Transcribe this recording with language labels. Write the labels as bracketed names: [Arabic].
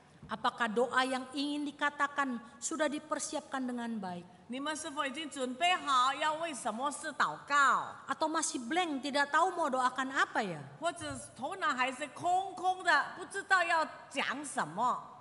[Indonesian] apakah doa yang ingin dikatakan sudah dipersiapkan dengan baik? [Chinese] 你们是否已经准备好要为什么事祷告? [Indonesian] Atau masih blank, tidak tahu mau doakan apa ya? [Chinese] 或者头脑还是空空的, 不知道要讲什么?